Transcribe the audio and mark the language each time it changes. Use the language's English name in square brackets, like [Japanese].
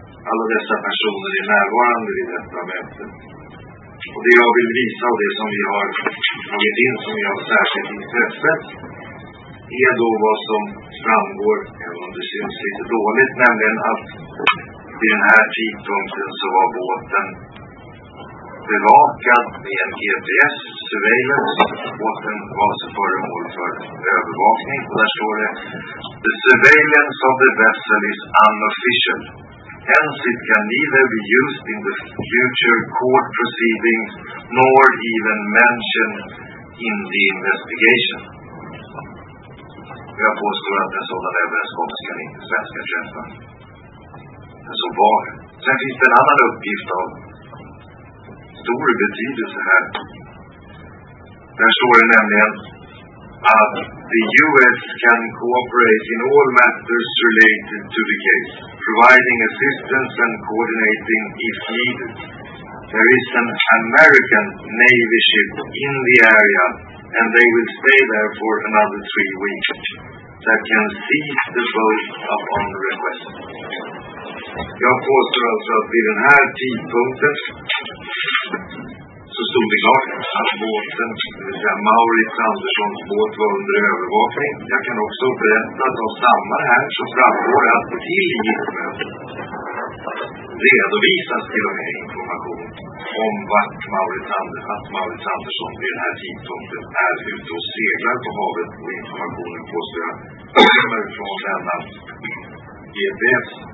[Swedish] Alla dessa personer är närvarande vid detta möte. Och det jag vill visa och det som vi har tagit in som jag har särskilt intresse är då vad som framgår, även om det syns lite dåligt, nämligen att vid den här tidpunkten så var båten bevakad med en GPS surveillance. Båten var så föremål för övervakning. Och där står det: [English] the surveillance of the vessel is unofficial. Hence it can neither be used in the future court proceedings nor even mentioned in the investigation. [Swedish] Jag påstår att en sådan överenskommelse kan inte svenska träffa. Men så var det. Sen finns det en annan uppgift av stor betydelse här. Där står det nämligen att [English] the US can cooperate in all matters related to the case, providing assistance and coordinating if needed. There is an American Navy ship in the area and they will stay there for another 3 weeks that can seize the boat upon request. [Swedish] Jag påstår alltså att vid den här tidpunkten så stod det klart att båten, det vill säga Maurits Anderssons båt, var under övervakning. Jag kan också berätta att av samma här så framgår att till giltmötet redovisas till och med information om vart Maurits Andersson vid den här tidpunkten är ute och seglar på havet, och informationen påstår jag kommer från denna GPS.